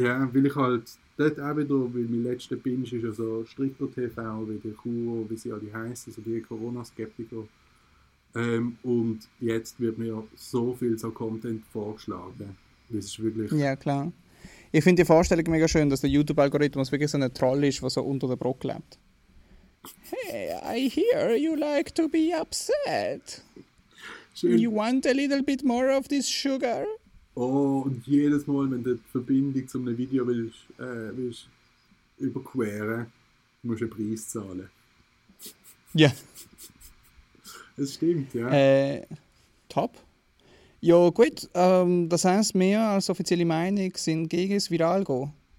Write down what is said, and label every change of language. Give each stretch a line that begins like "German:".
German: Ja, weil ich halt dort auch wieder, weil mein letzter Binge ist ja so Stripper TV, wie die Kur, wie sie alle heißen, so die Corona-Skeptiker. Und jetzt wird mir so viel so Content vorgeschlagen. Das ist wirklich. Ja, klar. Ich finde die Vorstellung mega schön, dass der YouTube-Algorithmus wirklich so ein Troll ist, der so unter der Brücke lebt.
English: Hey, I hear you like to be upset. You
German: schön.
English: want a little bit more of this sugar?
German: Oh, und jedes Mal, wenn du die Verbindung zu einem Video willst überqueren, musst du einen Preis zahlen. Ja. Es stimmt, ja. Top. Ja, gut. Das heisst, wir als offizielle Meinung sind gegen das Viralgehen.